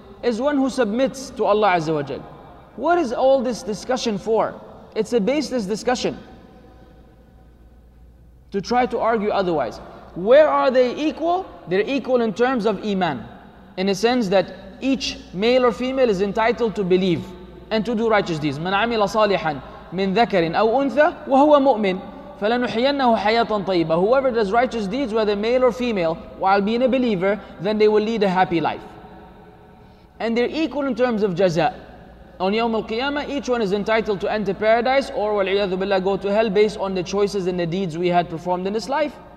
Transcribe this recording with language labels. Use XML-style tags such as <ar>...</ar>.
<en>Is one who submits to Allah Azza wa Jal. What is all this discussion for? It's a baseless discussion to try to argue otherwise. Where are they equal? They're equal in terms of iman, in a sense that each male or female is entitled to believe and to do righteous deeds.</en> <ar>من عمل صالحا من ذكر أو أنثى وهو مؤمن فلنحيينه حياة طيبة.</ar> <en>Whoever does righteous deeds, whether male or female, while being a believer, then they will lead a happy life. And they're equal in terms of jaza. On Yawm al-Qiyamah, each one is entitled to enter paradise or wal-iyadhu billah, go to hell based on the choices and the deeds we had performed in this life.</en>